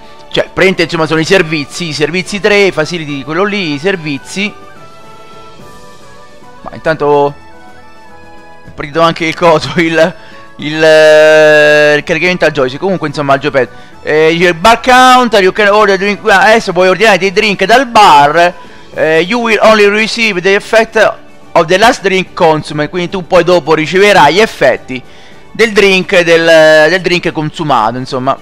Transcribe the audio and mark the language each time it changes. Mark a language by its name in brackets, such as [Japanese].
[Italian] Cioè, prende, insomma, sono i servizi. Servizi 3, facility quello lì, i servizi. Ma intanto ho preso anche il coso, il caricamento al joystick. Comunque, insomma, al joypad. Il [English] bar counter, you can order drink. [Italian] Adesso puoi ordinare dei drink dal bar. [English] You will only receive the effect of the last drink consumed. [Italian] Quindi tu poi dopo riceverai gli effetti del drink, del drink consumato, insomma.